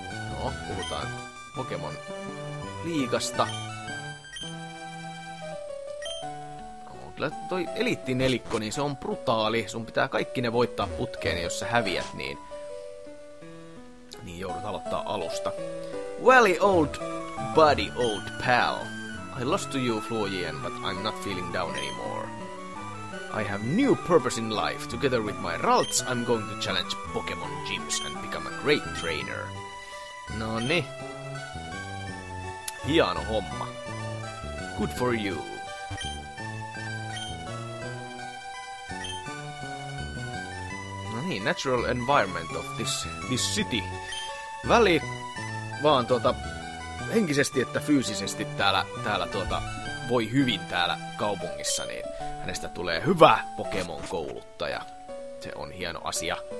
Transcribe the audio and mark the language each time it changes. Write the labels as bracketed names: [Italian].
[Finnish] No, puhutaan Pokemon liigasta. Kyllä toi eliittinelikko, niin se on brutaali. Sun pitää kaikki ne voittaa putkeen, jos sä häviät, niin joudut aloittaa alusta. [English] Wally old buddy, old pal. I lost to you, Floyen, but I'm not feeling down anymore. I have new purpose in life. Together with my Ralts, I'm going to challenge Pokemon gyms and become a great trainer. Noni. [Finnish] Hieno homma. [English] Good for you. Niin, natural environment of this city. [Finnish] Väli vaan henkisesti että fyysisesti täällä voi hyvin täällä kaupungissa, niin hänestä tulee hyvä Pokemon-kouluttaja. Se on hieno asia.